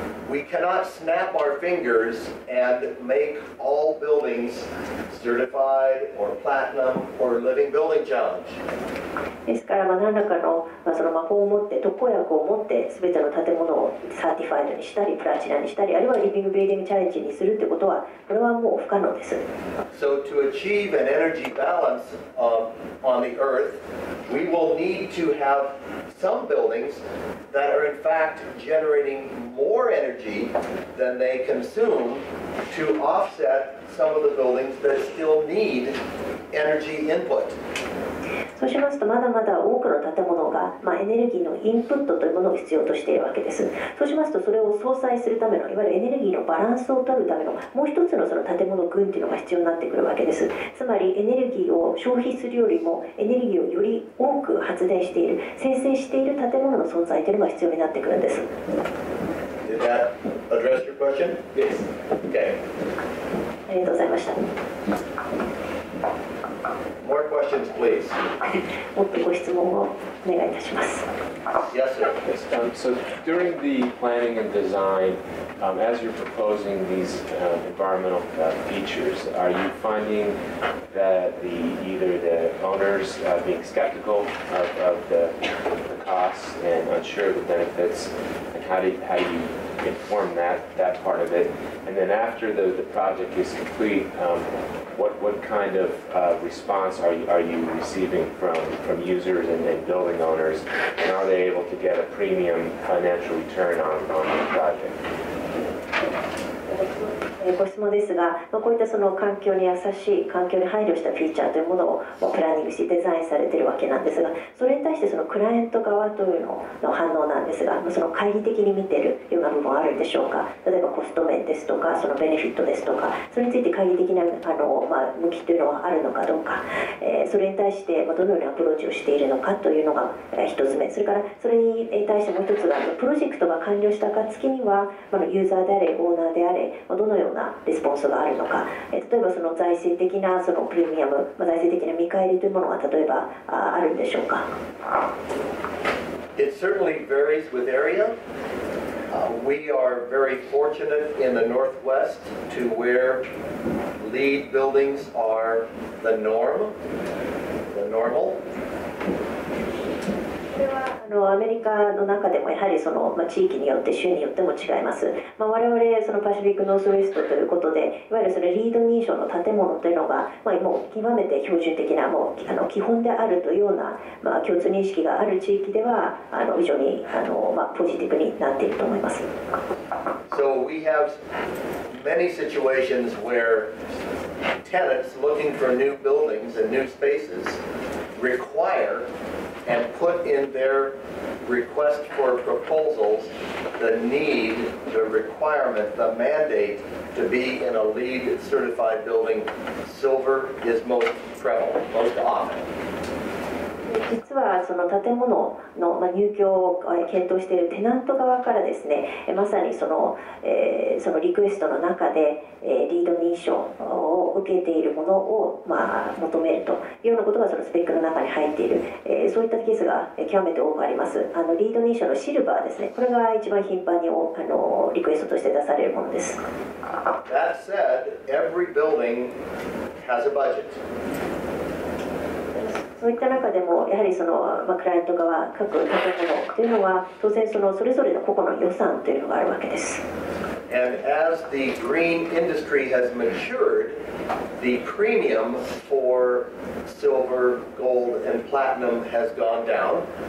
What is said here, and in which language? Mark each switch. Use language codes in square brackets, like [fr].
[en] We cannot snap our fingers and make all buildings certified or platinum or living building challenge. [ja] ですから、まあ、何らかの、まあ、その魔法を持って特効薬を持って全ての建物をサーティファイドにしたりプラチナにしたりあるいはリビングビルディングチャレンジにするってことはこれはもう不可能です。 [en] So to achieve an energy balance on the earth, we will need to have some buildings that are in fact generating more energy than they consume to offset some of the buildings that still need energy input. [ja] そうしますとまだまだ多くの建物が、まあ、エネルギーのインプットというものを必要としているわけです。そうしますとそれを相殺するためのいわゆるエネルギーのバランスを取るためのもう一つのその建物群というのが必要になってくるわけです。つまりエネルギーを消費するよりもエネルギーをより多く発電している生成している建物の存在というのが必要になってくるんです。 [en] Did that address your question? Yes. Okay. [ja] ありがとうございました。 [en] More questions, please. [ja] もっとご質問をお願いいたします。 [en] Yes, sir. Yes, so during the planning and design, as you're proposing these environmental features, are you finding that either the owners being skeptical of the costs and unsure of the benefits, and how do you inform that part of it? And then after the project is complete, what kind of response are you receiving from users and building owners, and are they able to get a premium financial return on the project? [ja] ご質問ですが、こういったその環境に優しい環境に配慮したフィーチャーというものをプランニングしデザインされているわけなんですが、それに対してそのクライアント側というのの反応なんですが、その懐疑的に見ているような部分もあるんでしょうか。例えばコスト面ですとかそのベネフィットですとか、それについて懐疑的な向きというのはあるのかどうか、それに対してどのようにアプローチをしているのかというのが一つ目、それからそれに対してもう一つがプロジェクトが完了した暁にはユーザーであれオーナーであれどのようなレスポンスがあるのか、例えばその財政的なそのプレミアム、財政的な見返りというものが例えばあるんでしょうか。 [en] It certainly varies with area. We are very fortunate in the Northwest to where LEED buildings are the normal. [ja] アメリカの中でもやはりその地域によって州によっても違います、まあ、我々そのパシフィックノースウェストということでいわゆるそのリード認証の建物というのが、まあ、もう極めて標準的なもう基本であるというような、まあ、共通認識がある地域では非常にまあ、ポジティブになっていると思います。 [en] So we have many situations where tenants looking for new buildings and new spaces requireand put in their request for proposals the need, the requirement, the mandate to be in a LEED certified building. Silver is most prevalent, most often. [ja] 実はその建物の入居を検討しているテナント側からですね、まさにそのリクエストの中でリード認証を受けているものを求めるというようなことがそのスペックの中に入っている、そういったケースが極めて多くあります。リード認証のシルバーですね、これが一番頻繁にリクエストとして出されるものです。 [en] That said, every building has a budget. [ja] そういった中でもやはりその、まあ、クライアント側各建物というのは当然 それぞれの個々の予算というのがあるわけです。 [en] And as the green industry has matured, the premium for silver, gold and platinum has gone down.